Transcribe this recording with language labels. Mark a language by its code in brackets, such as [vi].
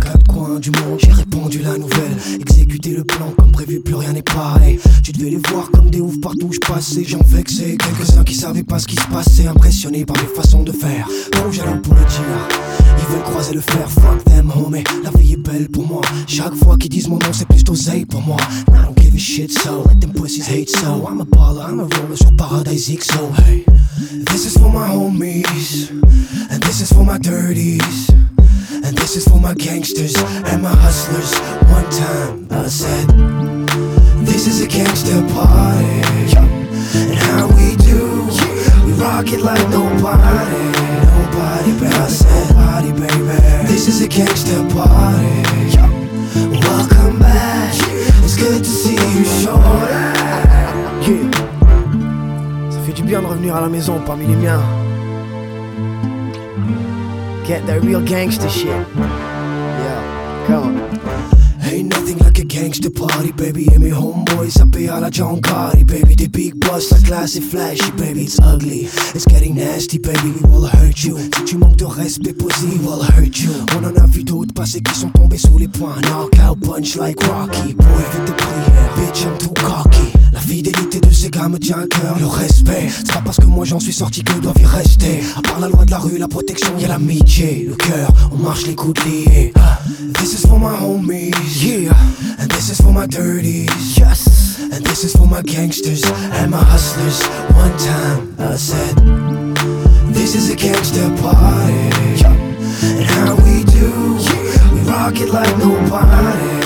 [fr] Quatre coins du monde, j'ai répondu la nouvelle. Exécuté le plan, comme prévu, plus rien n'est pareil. Tu devais les voir comme des oufs partout où je passais. J'en vexais quelques-uns qui savaient pas ce qui se passait. Impressionné par mes façons de faire. Donc j'allais pour le dire. Ils veulent croiser le fer, [en] fuck them, homie. [fr] La vie est belle pour moi. Chaque fois qu'ils disent mon nom, c'est plus d'oseille pour moi. [en] I don't give a shit, so let them pussies hate, so I'm a baller, I'm a roller sur Paradise XO. Hey. This is for my homies, and this is for my dirties, and this is for my gangsters and my hustlers. One time I said, this is a gangster party, and how we do, we rock it like nobody. Nobody, but I said, party, baby. This is a gangster party. Welcome back. It's good to see you, shorty. [fr] Bien de revenir à la maison parmi les miens. [en] Get that real gangster shit. Yeah, come on. Ain't nothing like a gangster party, baby. And me homeboys, I pay all John Gotti, baby. The big bus, like classy, flashy, baby. It's ugly, it's getting nasty, baby. We will hurt you. [fr] Si tu manques de respect, [en] pussy, we'll hurt you. [fr] On en a vu d'autres passés qui sont tombés sous les poings. [en] Knockout punch like Rocky. [fr] Boy, fais tes prières. [en] Bitch, I'm too cocky. [fr] La fidélité de ces gars me tient à cœur. Le respect, c'est pas parce que moi j'en suis sorti que doivent y rester. À part la loi de la rue, la protection, y'a l'amitié. Le cœur, on marche les coudes liés. [en] This is for my homies. Yeah. And this is for my dirties. Yes. And this is for my gangsters and my hustlers. One time I said, this is a gangster party. And how we do, we rock it like nobody.